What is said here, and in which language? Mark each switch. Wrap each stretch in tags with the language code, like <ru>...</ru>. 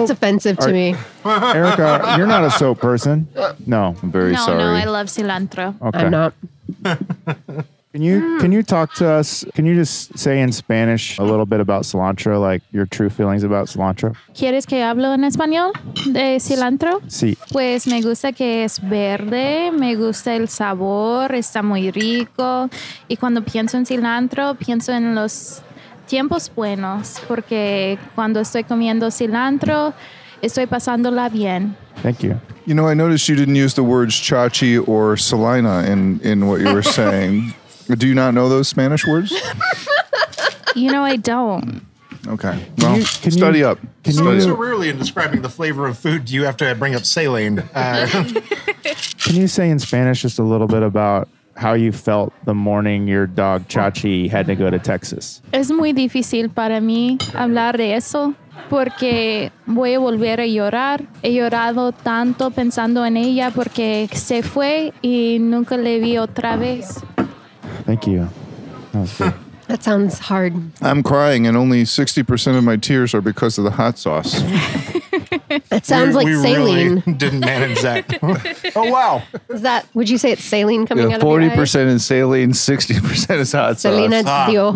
<en>That's offensive to me. Erica, you're not a soap person. No, I'm very sorry. No, I love cilantro. Okay. I'm not. Can you talk to us? Can you just say in Spanish a little bit about cilantro, like your true feelings about cilantro?</en> <es>¿Quieres que hablo en español de cilantro? Sí. Pues me gusta que es verde, me gusta el sabor, está muy rico. Y cuando pienso en cilantro, pienso en los tiempos buenos, porque cuando estoy comiendo cilantro, estoy pasándola bien.</es> <en>Thank you. You know, I noticed you didn't use the words chachi or salina in what you were saying. Do you not know those Spanish words? You know, I don't. Okay. Well, can you study up. So rarely in describing the flavor of food, do you have to bring up saline? Can you say in Spanish just a little bit about how you felt the morning your dog, Chachi, had to go to Texas?</en> <es>Es muy difícil para mí hablar de eso porque voy a volver a llorar. He llorado tanto pensando en ella porque se fue y nunca le vi otra vez.</es> <en>Thank you. That sounds hard. I'm crying, and only 60% of my tears are because of the hot sauce. That sounds like saline. Really didn't manage that. Oh, wow. Would you say it's saline coming out of your eyes? 40% is saline, 60% is hot sauce.</en> <es>Salina de ojos?</es>